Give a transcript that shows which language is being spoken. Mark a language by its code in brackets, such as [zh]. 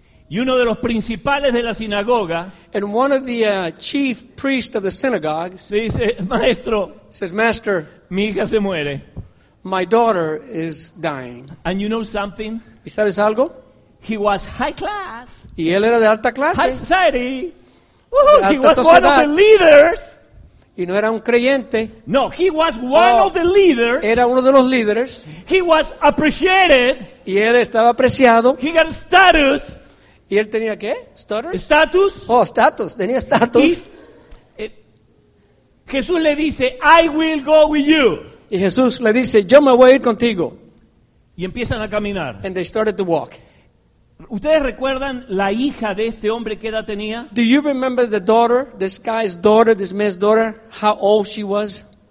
[es] Y uno de los principales de la sinagoga. [en] And one of the chief priests of the synagogues. [es] Dice, maestro. [en] Says, master. [es] Mi hija se muere. [en] My daughter is dying. And you know something? [es] ¿Y sabes algo? [en] He was high class. [es] ¿Y él era de alta clase? [en] High society. Woo-hoo, he was one of the leaders. [es] Y no era un creyente. [en] No, he was one of the leaders. [es] Era uno de los líderes. [en] He was appreciated. [es] Y él estaba apreciado. [en] He got status. [es] ¿Y él tenía qué? [en] Status. [es] Oh, status. Tenía status. Jesús le dice, [en] I will go with you. [es] Y Jesús le dice, yo me voy a ir contigo. Y empiezan a caminar. [en] And they started to walk. [es] ¿Ustedes recuerdan la hija de este hombre qué edad tenía? [en] Do you remember the daughter, this guy's daughter, this man's daughter, how old she was?